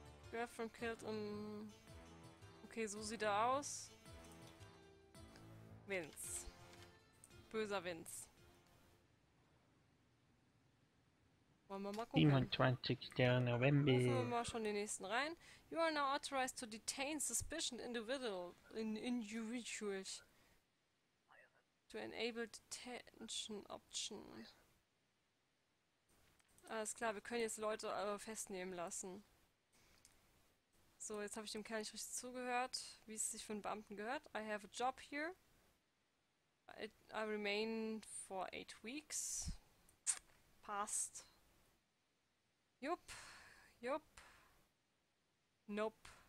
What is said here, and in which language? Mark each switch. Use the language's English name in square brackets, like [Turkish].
[English] Girlfriend killed in. [German] Okay, so sieht er aus. Wins. Böser Wins. Wollen wir mal gucken. 27. Rufen wir November. mal schon den nächsten rein. [English] You are now authorized to detain suspicious individual individuals to enable detention option. [German] Alles klar, wir können jetzt Leute aber festnehmen lassen. So, jetzt habe ich dem Kerl nicht richtig zugehört, wie es sich für einen Beamten gehört. [English] I have a job here. I remain for 8 weeks. [German] Passt. Jupp. Jupp. [English] Nope.